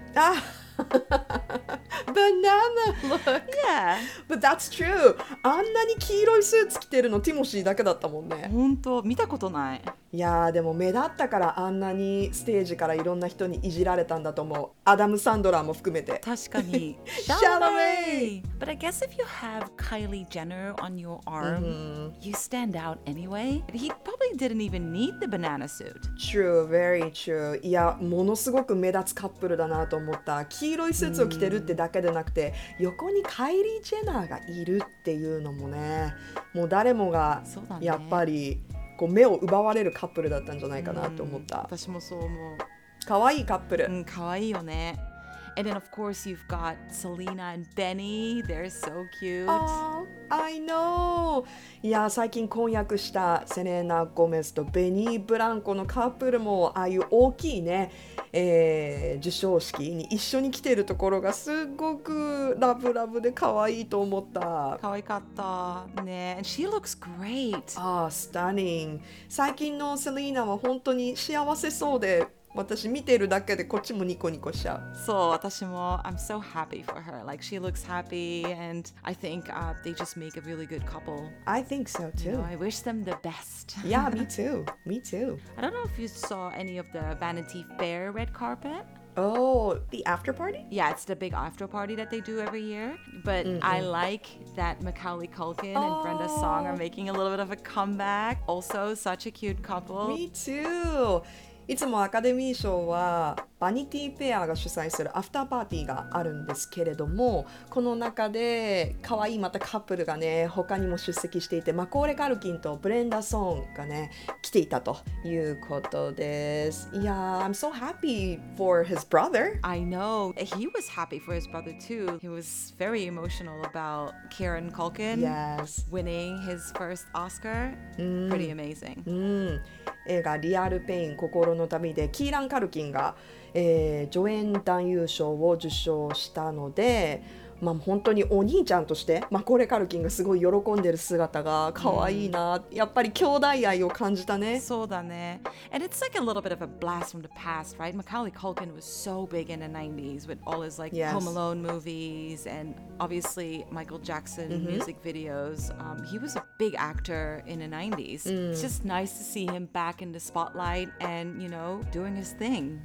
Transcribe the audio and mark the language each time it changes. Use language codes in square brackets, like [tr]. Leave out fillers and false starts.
[en] Ah! Banana look. Yeah. But that's true. [ja] あんなに黄色いスーツ着てるのティモシーだけだったもんね。本当、見たことない。いやー、でも目立ったからあんなにステージからいろんな人にいじられたんだと思う。アダム・サンドラーも含めて。確かに。シャラメイ。 [en] But I guess if you have Kylie Jenner on your arm,、you stand out anyway. He probably didn't even need the banana suit. True, very true. [ja] いや、ものすごく目立つカップルだなと思った。黄色いスーツを着てるってだけでなくて、横にカイリー・ジェナーがいるっていうのもね、もう誰もがやっぱり、こう目を奪われるカップルだったんじゃないかなと思った。私もそう思う。可愛いカップル。うん、可愛いよね。 [en] And then of course you've got Selena and Benny. They're so cute. Oh, I know. [ja] いや、最近婚約したセレナ・ゴメスとベニー・ブランコのカップルも、ああいう大きいね、受賞式に一緒に来てるところがすごくラブラブで可愛いと思った。可愛かったね。 [en] And she looks great. Oh, stunning. [ja] 最近のセレナは本当に幸せそうで、私見てるだけでこっちもニコニコしちゃう。そう、私も [en] I'm so happy for her. Like she looks happy, and I think they just make a really good couple. I think so too. You know, I wish them the best. Yeah, me too. Me too. I don't know if you saw any of the Vanity Fair red carpet. Oh, the after party? Yeah, it's the big after party that they do every year. But I like that Macaulay Culkin and Brenda Song are making a little bit of a comeback. Also, such a cute couple. Me too. [ja] いつもアカデミー賞はバニティペアが主催するアフターパーティーがあるんですけれども、この中で可愛いまたカップルがね他にも出席していて、マコーレ・カルキンとブレンダ・ソーンがね来ていたということです。いや、 [en] yeah, I'm so happy for his brother. I know. He was happy for his brother too. He was very emotional about Kieran Culkin、 yes. winning his first Oscar.、Mm. Pretty amazing.、 Mm. [ja] 映画リアルペイン心の旅でキーラン・カルキンが、助演男優賞を受賞したので、まあ、本当にお兄ちゃんとして、まあ、これカルキンがすごい喜んでる姿が可愛いな、やっぱり兄弟愛を感じたね。そうだね。 [en] And it's like a little bit of a blast from the past, right? Macaulay Culkin was so big in the 90s with all his like、yes. Home Alone movies and obviously Michael Jackson、mm-hmm. music videos、he was a big actor in the 90s、mm. It's just nice to see him back in the spotlight and you know doing his thing.